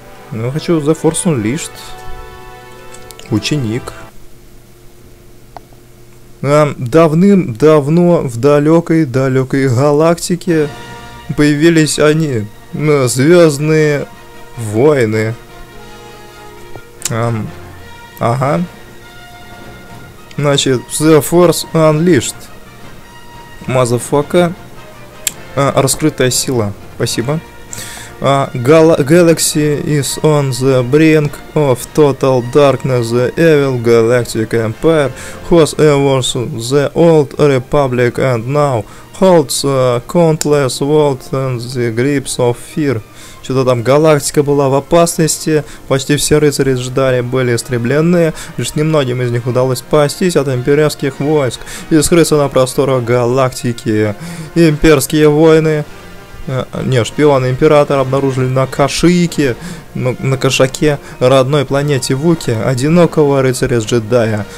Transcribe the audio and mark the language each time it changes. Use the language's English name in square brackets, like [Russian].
[Russian] Ну, я хочу The Force Unleashed. Ученик. Давным-давно в далекой-далекой галактике появились они, звездные воины. Ага. Значит, The Force Unleashed. Мазафака. Раскрытая сила, спасибо. [English] Galaxy is on the brink of total darkness. The evil galactic empire was ever the old republic and now holds countless world in the grips of fear. [Russian] Что-то там, галактика была в опасности, почти все рыцари джедаи были истреблены, лишь немногим из них удалось спастись от имперских войск и скрыться на просторах галактики. Имперские воины... шпионы императора обнаружили на Кашике, на Кашаке, родной планете Вуки, одинокого рыцаря джедая.